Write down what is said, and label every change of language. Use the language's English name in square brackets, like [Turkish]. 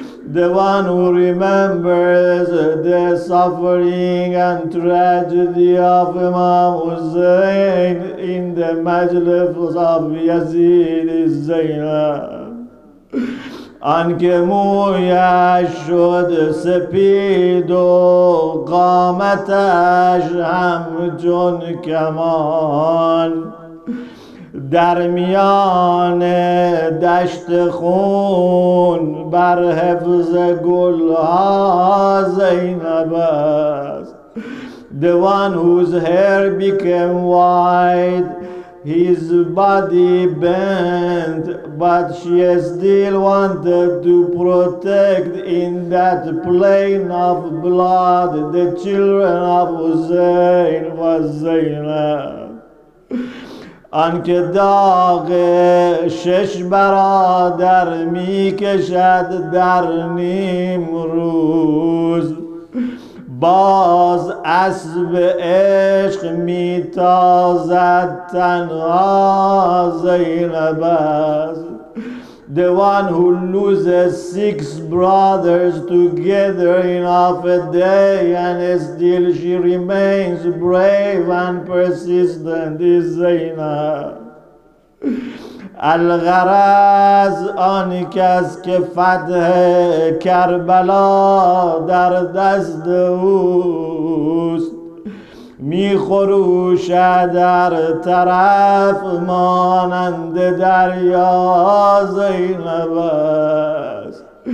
[English] The one who remembers the suffering and tragedy of Imam Hussein in the majlis of Yazid is Zainab. [Persian] آنکه مویش شد سپید و قامتش همچون کمان، در میان دشت خون بر حفظ گلها زینب است. [English] The one whose hair became white, his body bent, but she still wanted to protect in that plain of blood the children of Hussein was Zainab. [Persian] آنکه داغ شش برادر می کشد در نیم روز، باز اسب عشق می تازد تنها زینب است. [English] The one who loses six brothers together in half a day and still she remains brave and persistent is Zainab. [Persian] الغرض آن کس که فتح کربلا در دست اوست، می خروشد در طرف مانند دریا زینب است.